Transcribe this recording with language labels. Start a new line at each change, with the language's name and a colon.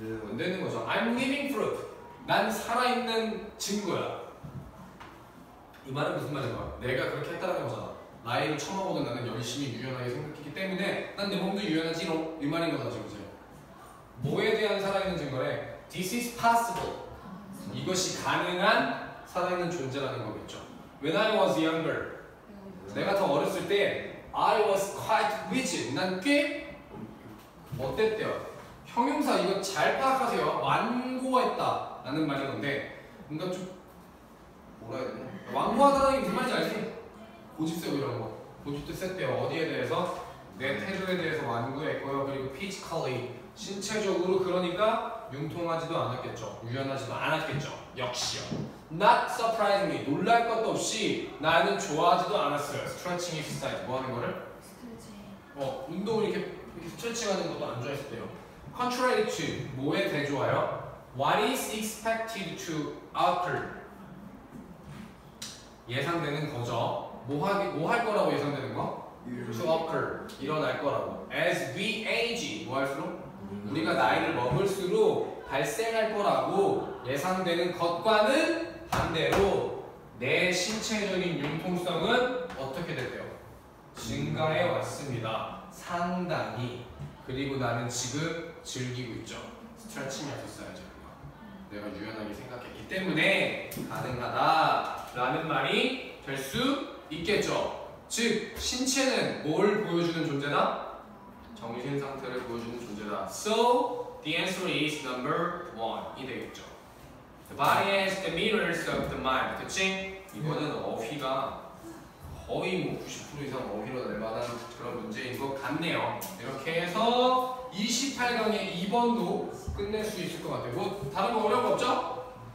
Korean: 안 되는 거죠.
English: I'm living proof.
Korean: 난 살아있는 증거야. 이 말은 무슨 말인가? 내가 그렇게 했다는 거잖아. 나이를 처먹어도 나는 열심히 유연하게 생각했기 때문에 난 내 몸도 유연하지롱 이 말인 거다 지금. 이제 뭐에 대한 살아있는 증거래?
English: This is possible.
Korean: 이것이 가능한 살아있는 존재라는 거겠죠.
English: When I was younger,
Korean: 내가 더 어렸을 때
English: I was quite rigid.
Korean: 난 꽤 어땠대요. 형용사 이거 잘 파악하세요. 완고했다라는 말인 건데 뭔가 좀 뭐라 해야 되나? 완고하다는 게 무슨 말인지 알지? 고집 세고 이런 거. 고집도 셌대요. 어디에 대해서? 내 태도에 대해서 완고했고요. 그리고 피지컬리 신체적으로 그러니까 융통하지도 않았겠죠. 유연하지도 않았겠죠. 역시요.
English: Not surprising me.
Korean: 놀랄 것도 없이 나는 좋아하지도 않았어요. 스트레칭 익스사이즈. 뭐 하는 거를? 스트레칭. 운동을 이렇게 스트레칭하는 것도 안 좋아했대요.
English: Contrary to.
Korean: 뭐에 대조하여?
English: What is expected to occur?
Korean: 예상되는 거죠. 뭐 할 거라고 예상되는 거?
English: To occur.
Korean: 일어날 거라고.
English: As we age.
Korean: 뭐 할수록? 우리가 나이를 먹을수록 발생할 거라고 예상되는 것과는 반대로 내 신체적인 융통성은 어떻게 될까요? 증가해 왔습니다. 상당히. 그리고 나는 지금 즐기고 있죠. 스트레칭이 없었어야죠. 내가 유연하게 생각했기 때문에 가능하다 라는 말이 될 수 있겠죠. 즉 신체는 뭘 보여주는 존재다? 정신 상태를 보여주는 존재다.
English: So the answer is number one
Korean: 이 되겠죠.
English: The body is the mirrors of the mind.
Korean: 그치? 이거는 어휘가 거의 뭐 90% 이상 어휘로 낼 만한 그런 문제인 것 같네요. 이렇게 해서 28강의 2번도 끝낼 수 있을 것 같아요. 뭐 다른 거 어려운 거 없죠?